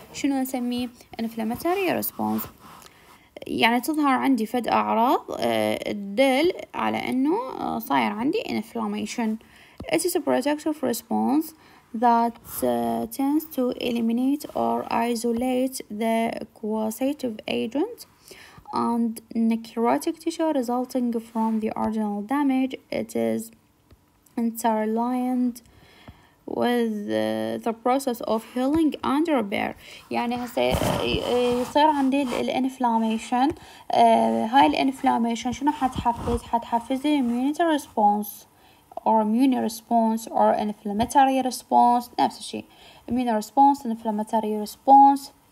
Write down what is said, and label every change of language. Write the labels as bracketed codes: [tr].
[ar] شنو نسميه [en] inflammatory response؟ [ar] يعني تظهر عندي فد أعراض تدل على إنه صاير عندي [en] inflammation. It is a protective response that tends to eliminate or isolate the causative agent and necrotic tissue resulting from the original damage. It is interlined with the process of healing and repair. [ar] يعني هسه يصير عندي الانفلاميشن. هاي الانفلاميشن شنو حتحفز؟ حتحفز [en] immunity response or immune response or inflammatory response. [ar] نفس الشيء [en] immune response, inflammatory response.